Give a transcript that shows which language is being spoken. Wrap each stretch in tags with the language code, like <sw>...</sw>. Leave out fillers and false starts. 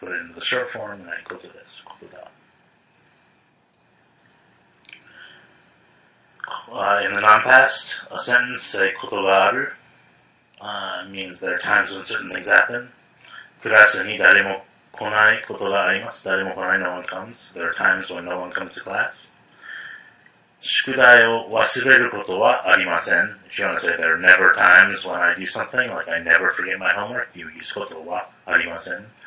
<en>Put it in the short form, and I</en> <ja>ことです。ことだ。</ja> <en>In the non-past, a sentence, say, ことがある, means there are times when certain things happen.</en> <ja>クラスに誰も来ないことがあります。誰も来ない、</ja> <en>no one comes. There are times when no one comes to class.</en> <ja>宿題を忘れることはありません。</ja> <en>If you want to say, there are never times when I do something, like I never forget my homework, you use ことはありません.</en>